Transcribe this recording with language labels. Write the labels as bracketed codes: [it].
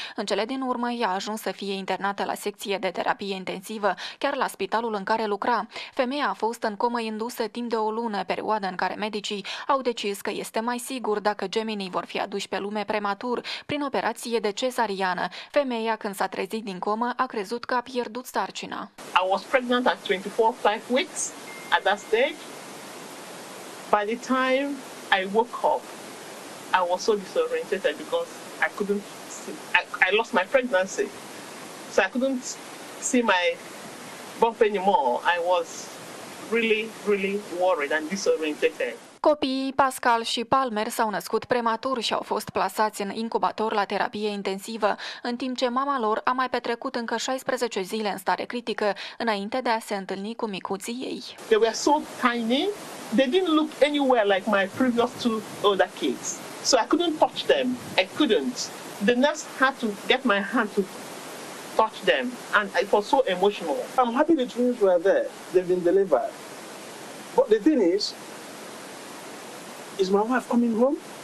[ro] În cele din urmă, ea a ajuns să fie internată la secție de terapie intensivă, chiar la spitalul în care lucra. Femeia a fost în comă indusă timp de o lună, perioadă în care medicii au decis că este mai sigur dacă geminii vor fi aduși pe lume prematur, prin operație de cezariană. Femeia, când s-a trezit din comă, a crezut că a pierdut sarcina. [en] I was pregnant at 24-5 weeks at that stage. By the time I woke up, I was so disorientated because I couldn't see. I lost my pregnancy. So I couldn't see my bump anymore. I was really, really worried and disorientated. [ro] Copiii Pascal și Palmer s-au născut prematuri și au fost plasați în incubator la terapie intensivă, în timp ce mama lor a mai petrecut încă 16 zile în stare critică, înainte de a se întâlni cu micuții ei. [en] They were so tiny, they didn't look anywhere like my previous two older kids. So I couldn't touch them, I couldn't. The nurse had to get my hand to touch them, and it was so emotional. I'm happy the twins were there, they've been delivered. But the thing is, is my wife coming home?